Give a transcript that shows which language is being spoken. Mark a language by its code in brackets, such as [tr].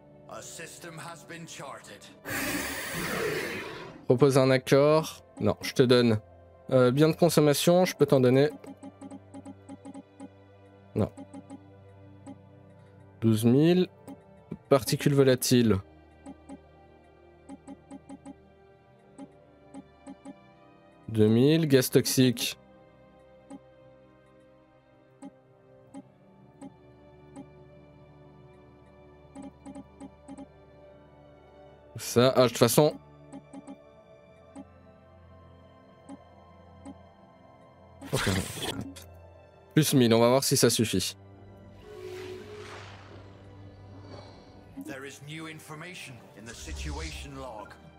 [en] A system has been charted. [fr] Propose un accord. Non, je te donne. Bien de consommation, je peux t'en donner. Non. 12 000. Particules volatiles. Gaz toxique. Ça, ah, de toute façon... Plus 1000, on va voir si ça suffit. [en] There is new information in the situation log.